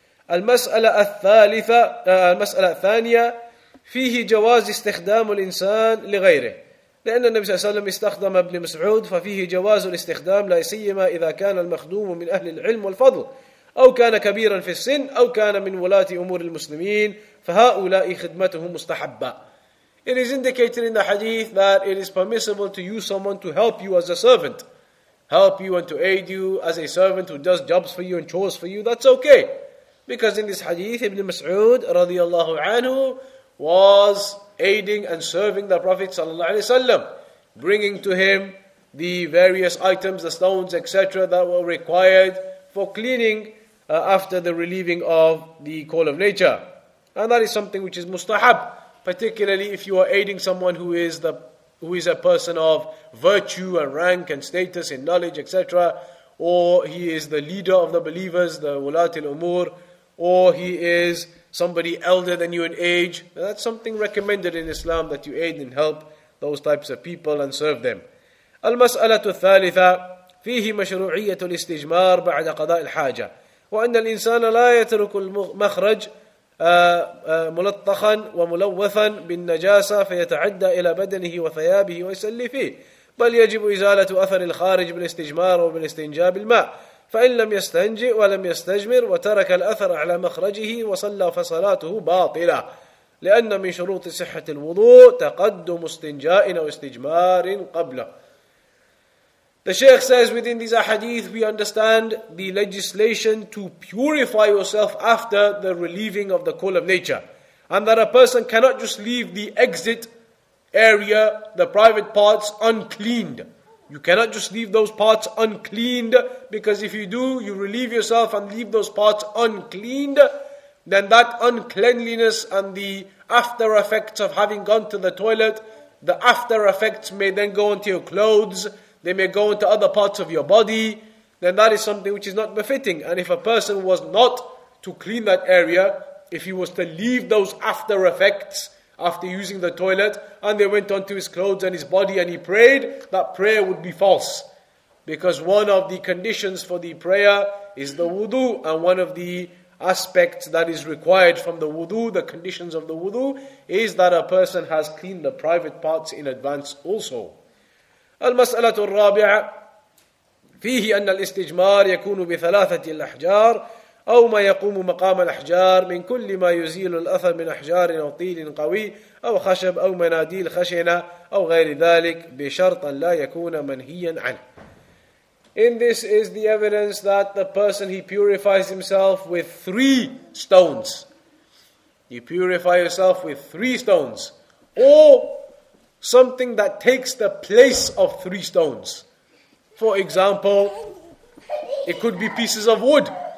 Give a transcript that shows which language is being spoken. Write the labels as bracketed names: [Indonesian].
[Arabic] المسألة الثالثة المسألة الثانية فيه جواز استخدام الإنسان لغيره لأن النبي صلى الله عليه وسلم استخدم ابن مسعود ففيه جواز الاستخدام لا سيما إذا كان المخدوم من أهل العلم والفضل أو كان كبيرا في السن أو كان من ولاة أمور المسلمين فهؤلاء خدمتهم مستحبة. [English] It is indicated in the hadith that it is permissible to use someone to help you as a servant, help you and to aid you as a servant who does jobs for you and chores for you. That's okay. Because in this hadith, Ibn Mas'ud radiallahu anhu was aiding and serving the Prophet sallallahu alayhi wa sallam, bringing to him the various items, the stones, etc. that were required for cleaning after the relieving of the call of nature. And that is something which is mustahab, particularly if you are aiding someone who is a person of virtue and rank and status in knowledge, etc. Or he is the leader of the believers, the wulat al-umur, or he is somebody elder than you in age. Now that's something recommended in Islam, that you aid and help those types of people and serve them. [Arabic] المسألة الثالثة فيه مشروعية الاستجمار بعد قضاء الحاجة وأن الإنسان لا يترك المخرج ملطخا وملوثا بالنجاسة فيتعدى إلى بدنه وثيابه ويسلي فيه بل يجب إزالة أثر الخارج بالاستجمار وبالاستنجاب الماء فإن لم يستنجئ ولم يستجمر وترك الأثر على مخرجه وصلى فصلاته باطلة لأن من شروط صحة الوضوء تقدم استنجاء أو استجمار قبله. [English] The Shaykh says within these ahadith we understand the legislation to purify yourself after the relieving of the call of nature, and that a person cannot just leave the exit area, the private parts, uncleaned. You cannot just leave those parts uncleaned, because if you do, you relieve yourself and leave those parts uncleaned, then that uncleanliness and the after effects of having gone to the toilet, the after effects may then go onto your clothes, they may go into other parts of your body, then that is something which is not befitting. And if a person was not to clean that area, if he was to leave those after effects after using the toilet, and they went onto his clothes and his body and he prayed, that prayer would be false. Because one of the conditions for the prayer is the wudu, and one of the aspects that is required from the wudu, the conditions of the wudu, is that a person has cleaned the private parts in advance also. [Arabic] المسألة الرابعة فيه أن الاستجمار يكون بثلاثة الأحجار أو ما يقوم مقام الأحجار من كل ما يزيل الأثر من أحجار أو طيل قوي أو خشب أو مناديل خشنة أو غير ذلك بشرط لا يكون منهيا عنه. [English] In this is the evidence that the person, he purifies himself with three stones. You purify yourself with three stones. Or something that takes the place of three stones. For example, it could be pieces of wood.